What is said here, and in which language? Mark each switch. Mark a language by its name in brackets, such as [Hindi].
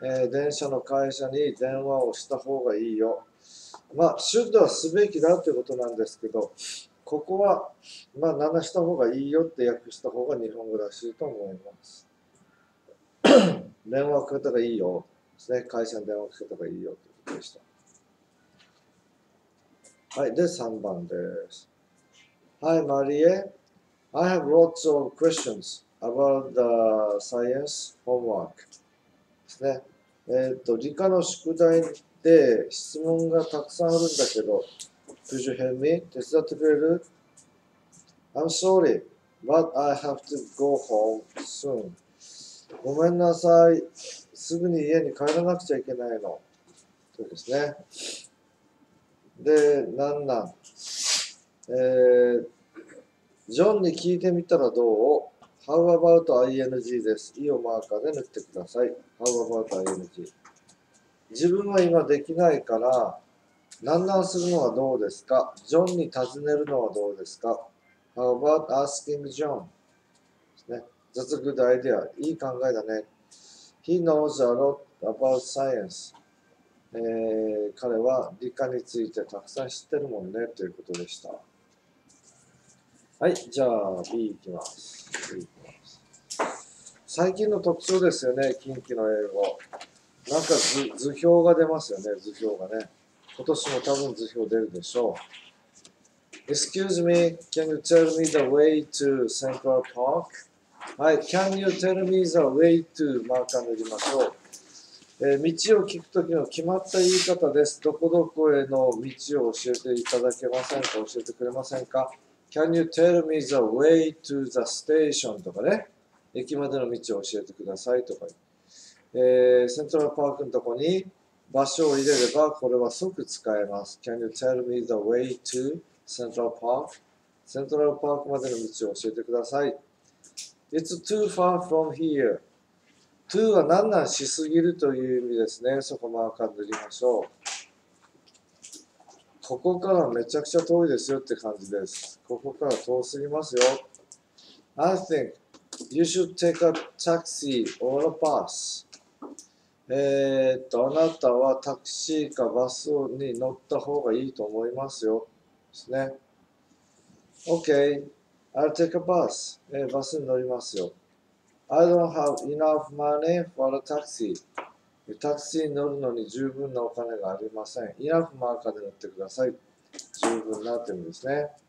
[Japanese] 電車の会社に電話をした方がいいよ。まあ、should はすべきだということなんですけど、ここは、まあ、ならした方がいいよって訳した方が日本語らしいと思います。電話かけたらいいよ。ですね、会社に電話かけた方がいいよということでした。はい、で、3番です。 [English] Hi, Marie. I have lots of questions about the science homework. [Japanese] ですね。理科の宿題で質問がたくさんあるんだけど、 [English] Could you help me? [Japanese] 手伝ってくれる? [English] I'm sorry, but I have to go home soon. [Japanese] ごめんなさい。すぐに家に帰らなくちゃいけないの。そうですね。で、なんなん。ジョンに聞いてみたらどう ? [English] How about ing [Japanese] です。 E をマーカーで塗ってください。 [English] How about ing。 [Japanese] 自分は今できないから、なんなんするのはどうですか ?John に尋ねるのはどうですか ? [English] How about asking John? [Japanese] ですね。 [English] That's a good idea。 [Japanese] いい考えだね。 [English] He knows a lot about science. [Japanese] 彼は理科についてたくさん知ってるもんねということでした。はい、じゃあ B 行きます。最近の特徴ですよね、近畿の英語。なんか図表が出ますよね、図表がね。今年も多分図表出るでしょう。 [English] Excuse me, can you tell me the way to Central Park? はい、Can you tell me the way to [Japanese] マーカー塗りましょう。道を聞くときの決まった言い方です。どこどこへの道を教えていただけませんか、教えてくれませんか。 [English] Can you tell me the way to the station とかね、 [Japanese] 駅までの道を教えてくださいとか。セントラルパークのとこに場所を入れれば、これは即使えます。 [English] Can you tell me the way to Central Park? [Japanese] セントラルパークまでの道を教えてください。 [English] It's too far from here. [Japanese] Too は何なんしすぎるという意味ですね。そこマーカー塗りましょう。ここからめちゃくちゃ遠いですよって感じです。ここから遠すぎますよ。 [English] I think you should take a taxi or a bus. [Japanese] あなたはタクシーかバスに乗った方がいいと思いますよ。ですね。 [English] Okay. I'll take a bus. [Japanese] バスに乗りますよ。 [English] I don't have enough money for a taxi. [Japanese] タクシーに乗るのに十分なお金がありません。enough マーカーで乗ってください。十分なって意味ですね。